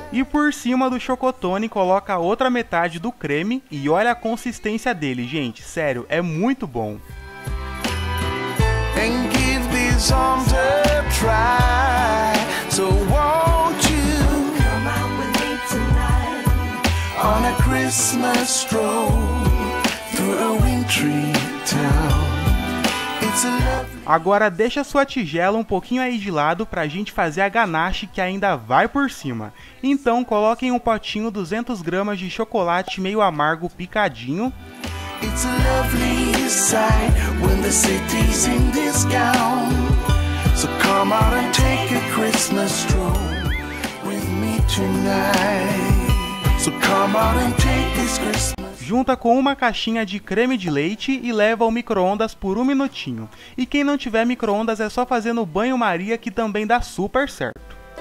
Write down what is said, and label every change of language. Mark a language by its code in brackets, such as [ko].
[pt] E por cima do chocotone, coloca a outra metade do creme e olha a consistência dele, gente. Sério, é muito bom. [en] And give these arms a try. So won't you come out with me tonight on a Christmas stroll through a wintry town. It's a lovely. [pt] Agora deixa sua tigela um pouquinho aí de lado pra gente fazer a ganache que ainda vai por cima. Então coloque em um potinho 200 gramas de chocolate meio amargo picadinho. [en] It's a lovely sight when the city's in this gown. So come out and take a Christmas stroll with me tonight. So come out and take this Christmas. [pt] Junta com uma caixinha de creme de leite e leva ao micro-ondas por um minutinho. E quem não tiver micro-ondas é só fazer no banho-maria que também dá super certo.